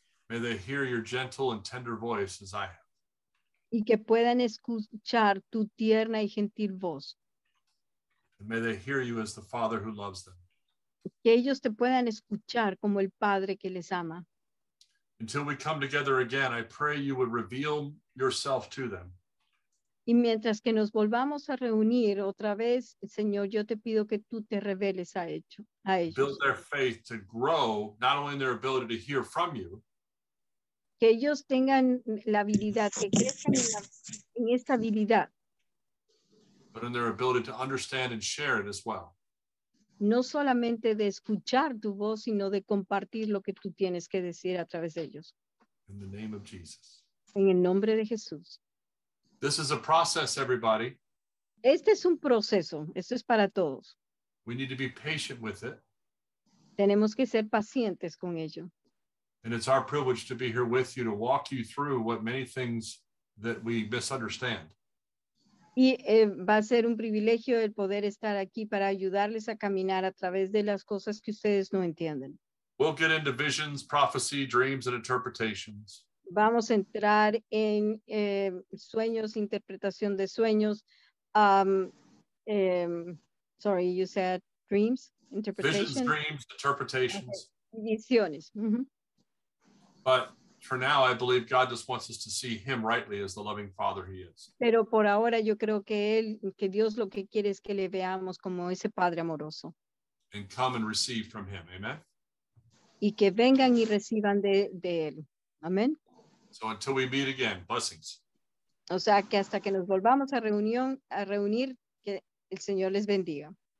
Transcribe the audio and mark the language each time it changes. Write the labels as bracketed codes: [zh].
[en] May they hear your gentle and tender voice as I have. [es] Y que puedan escuchar tu tierna y gentil voz. [en] And may they hear you as the Father who loves them. [es] Que ellos te puedan escuchar como el Padre que les ama. [en] Until we come together again, I pray you would reveal yourself to them. [es] Y mientras que nos volvamos a reunir otra vez, Señor, yo te pido que tú te reveles a ellos. [en] Build their faith to grow, not only in their ability to hear from you. [es] Que ellos tengan la habilidad, que crezcan en esta habilidad. [en] But in their ability to understand and share it as well. [es] No solamente de escuchar tu voz, sino de compartir lo que tú tienes que decir a través de ellos. [en] In the name of Jesus. [es] En el nombre de Jesús. [en] This is a process, everybody. [es] Este es un proceso. Esto es para todos. [en] We need to be patient with it. [es] Tenemos que ser pacientes con ello. [en] And it's our privilege to be here with you to walk you through what many things that we misunderstand. [es] Y va a ser un privilegio el poder estar aquí para ayudarles a caminar a través de las cosas que ustedes no entienden. [en] We'll get into visions, prophecy, dreams, and interpretations. [es] Vamos a entrar en sueños, interpretación de sueños. [en] Sorry, you said dreams, interpretation. Visions, dreams, interpretations. [es] Okay. Visiones. Mm-hmm. [en] But for now, I believe God just wants us to see Him rightly as the loving Father He is. [es] Pero por ahora, yo creo que él, que Dios lo que quiere es que le veamos como ese Padre amoroso. [en] And come and receive from Him. Amen. [es] Y que vengan y reciban de él. Amen. [en] So until we meet again, blessings. [es] O sea, que hasta que nos volvamos a reunir, que el Señor les bendiga.